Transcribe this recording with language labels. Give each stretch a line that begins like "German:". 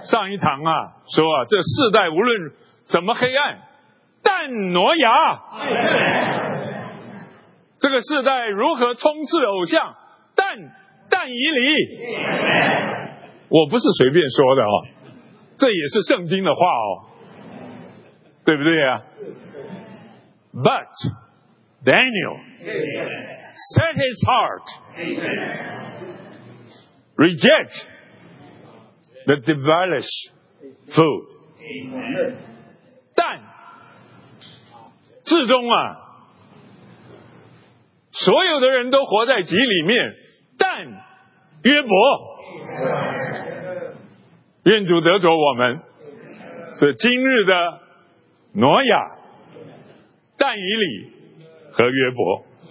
Chinese: 上一堂啊说啊，这世代无论怎么黑暗，但挪亚、这个世代如何充斥偶像，但以理。我不是随便说的哦，这也是圣经的话哦，对不对啊？
English: But Daniel set his heart reject the devilish food.
Chinese: 但至终啊，所有的人都活在己里面，但约伯。愿主得着我们是今日的挪亚、但以理和约伯。